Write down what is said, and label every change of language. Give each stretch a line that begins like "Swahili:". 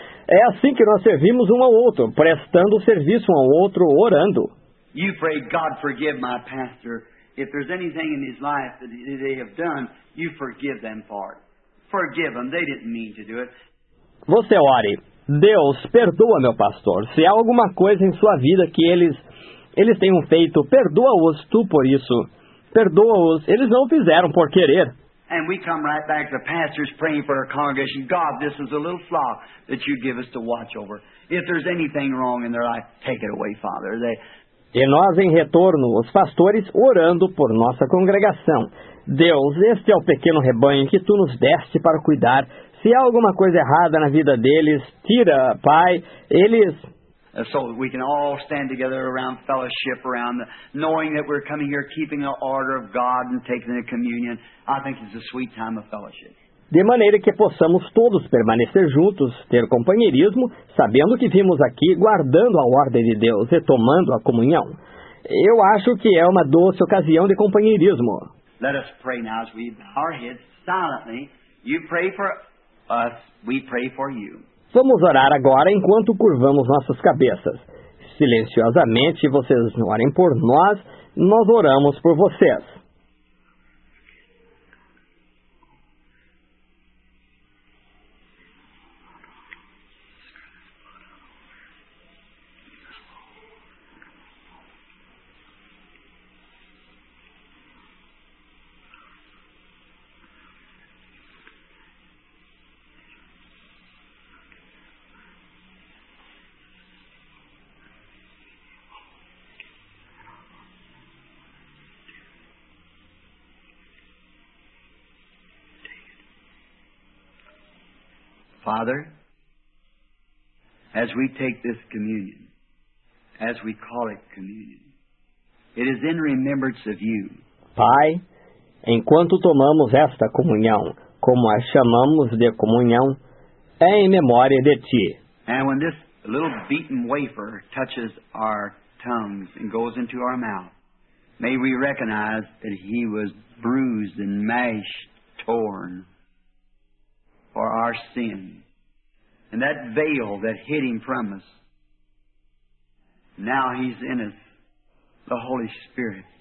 Portuguese: É assim que nós servimos um ao outro, prestando serviço um ao outro, orando.
English: You pray, God forgive my pastor. If there's anything in his life that they have done, you forgive them for it. Forgive them, they didn't mean to do it.
Portuguese: Você ore, Deus, perdoa meu pastor. Se há alguma coisa em sua vida que eles tenham feito, perdoa-os tu por isso. Perdoa-os, eles não o fizeram por querer.
English: And we come right back to the pastors praying for our congregation. God, this is a little flock that you give us to watch over. If there's anything wrong in their life, take it away, Father.
Portuguese: E nós, em retorno, os pastores, orando por nossa congregação. Deus, este é o pequeno rebanho que tu nos deste para cuidar. Se há alguma coisa errada na vida deles, tira, Pai, eles...
English: So we can all stand together around fellowship, around knowing that we're coming here, keeping the order of God and taking the communion. I think it's a sweet time of fellowship.
Portuguese: De maneira que possamos todos permanecer juntos, ter companheirismo, sabendo que vimos aqui guardando a ordem de Deus e tomando a comunhão. Eu acho que é uma doce ocasião de companheirismo.
English: Let us pray now as we bow our heads silently. You pray for us, we pray for you.
Portuguese: Vamos orar agora enquanto curvamos nossas cabeças. Silenciosamente, vocês orem por nós oramos por vocês.
English: Father, as we take this communion, as we call it communion, it is in remembrance of you.
Portuguese: Pai, enquanto tomamos esta comunhão, como a chamamos de comunhão, é em memória de ti.
English: And when this little beaten wafer touches our tongues and goes into our mouth, may we recognize that he was bruised and mashed, torn for our sin. And that veil that hid him from us, now he's in us, the Holy Spirit.